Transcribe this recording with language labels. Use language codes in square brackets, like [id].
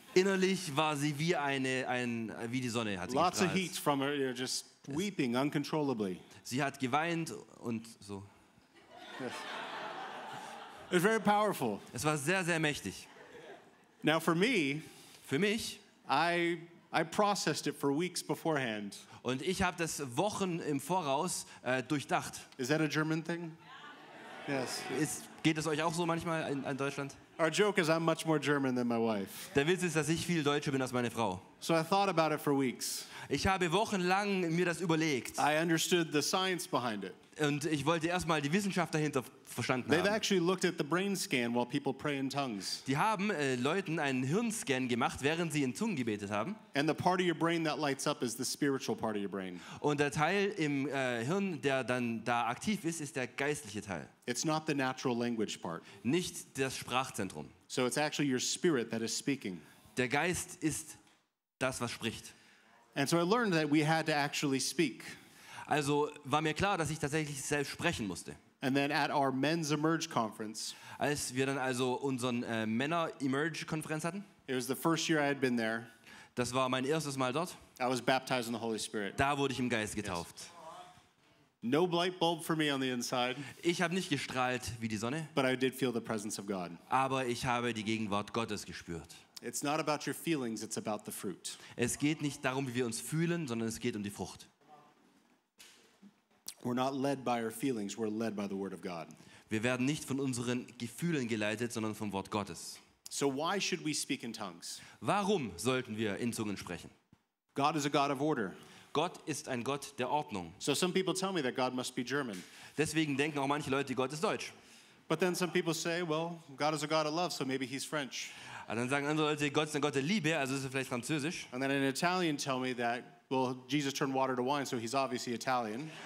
[de] Innerlich war sie wie wie die Sonne hat sie gestrahlt. [en] Lots of heat from her, you know, just weeping uncontrollably. [de] Sie hat geweint und so. [en] Yes. It was very powerful. [de] Es war sehr, sehr mächtig. [en] Now for me, [de] für mich, [en] I processed it for weeks beforehand. [de] Und ich habe das Wochen im Voraus durchdacht. [en] Is that a German thing? Yes. [de] Geht es euch auch so manchmal in Deutschland? [en] Our joke is I'm much more German than my wife. [de] Der Witz ist, dass ich viel Deutscher bin als meine Frau. [en] So I thought about it for weeks. [de] Ich habe wochenlang mir das überlegt. [en] I understood the science behind it. [de] Und ich wollte erstmal die Wissenschaft dahinter verstanden [en] They've [de] haben. [en] Actually looked at the brain scan while people pray in tongues. [de] Die haben Leuten einen Hirnscan gemacht, während sie in Zungen gebetet haben. [en] And the part of your brain that lights up is the spiritual part of your brain. [de] Und der Teil im Hirn, der dann da aktiv ist, ist der geistliche Teil. [en] It's not the natural language part. [de] Nicht das Sprachzentrum. [en] So it's actually your spirit that is speaking. [de] Der Geist ist das, was spricht. [en] And so I learned that we had to actually speak. [de] Also war mir klar, dass ich tatsächlich selbst sprechen musste. [en] And then at our men's Emerge conference, [de] als wir dann also unseren Männer Emerge Konferenz hatten, [en] it was the first year I had been there, [de] das war mein erstes Mal dort. [en] I was baptized in the Holy Spirit. [de] Da wurde ich im Geist getauft. [en] Yes. No light bulb for me on the inside, [de] ich habe nicht gestrahlt wie die Sonne, [en] but I did feel the presence of God. [de] Aber ich habe die Gegenwart Gottes gespürt. [en] It's not about your feelings, it's about the fruit. [de] Es geht nicht darum, wie wir uns fühlen, sondern es geht um die Frucht. [en] We're not led by our feelings, we're led by the word of God. [de] Wir werden nicht von unseren Gefühlen geleitet, sondern vom Wort Gottes. [en] So why should we speak in tongues? [de] Warum sollten wir in Zungen sprechen? [en] God is a God of order. [de] Gott ist ein Gott der Ordnung. [en] So some people tell me that God must be German. [de] Deswegen denken auch manche Leute, Gott ist deutsch. [en] But then some people say, well, God is a God of love, so maybe he's French. [de] Und dann sagen andere Leute, Gott ist ein Gott der Liebe, also ist er vielleicht französisch. [en] And then an Italian tell me that, well, Jesus turned water to wine, so he's obviously Italian.